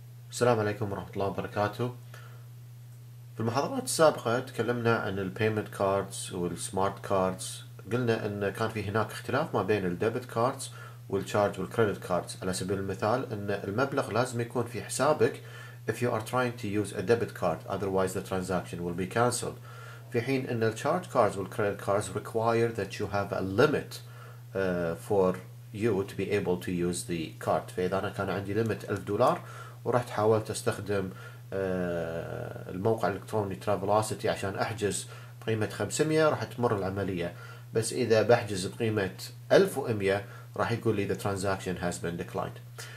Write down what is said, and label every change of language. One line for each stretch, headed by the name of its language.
Arabic: السلام عليكم ورحمة الله وبركاته. في المحاضرات السابقة تكلمنا عن البيمنت كاردز والسمارت كاردز، قلنا ان كان في هناك اختلاف ما بين الديبت كاردز والتشارج والكريدت كاردز.
English: على سبيل المثال ان المبلغ لازم يكون في حسابك if you are trying to use a debit card, otherwise the transaction will be cancelled. في حين ان التشارج كاردز والكريدت cards require that you have a limit for you to be able to use the card.
Arabic: فاذا انا كان عندي limit $1000 ورحت حاولت استخدم الموقع الالكتروني ترافلوسيتي عشان احجز بقيمه 500 راح تمر العمليه، بس اذا بحجز بقيمه 1100 راح يقول لي the transaction has been declined.